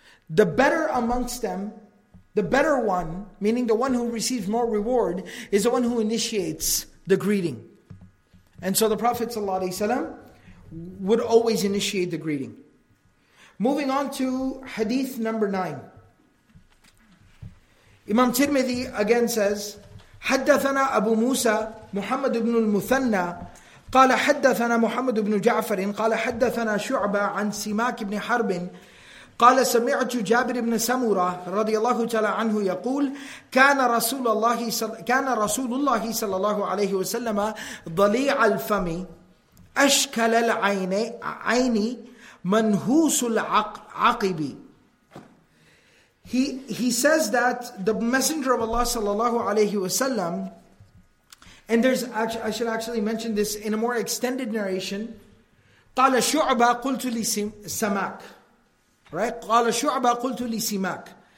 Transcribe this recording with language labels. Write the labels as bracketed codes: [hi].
[en] The better amongst them, the better one, meaning the one who receives more reward, is the one who initiates the greeting. And so the Prophet ﷺ would always initiate the greeting. Moving on to hadith number 9. Imam Tirmidhi again says, [ar] حَدَّثَنَا أَبُو مُوسَى مُحَمَّدُ بْنُ الْمُثَنَّى قَالَ حَدَّثَنَا مُحَمَّدُ بْنُ جَعْفَرٍ قَالَ حَدَّثَنَا شُعْبًا عَنْ سِمَاكِ بْنِ حَرْبٍ قَالَ سَمِعْتُ جَابِرِ بْنِ سَمُورَةٍ رضي الله تعالى عنه يقول كان رسول الله صلى الله عليه وسلم ضليع الفم أشكل العين منهوس العقب. [en] He says that the Messenger of Allah صلى الله عليه وسلم, and there's actually, I should actually mention this in a more extended narration, [ar] قَالَ شُعْبَ قُلْتُ لِسَمَاكِ. [en] Right? [ar] قَالَ شُعْبَ قُلْتُ لِسِمَاكِ.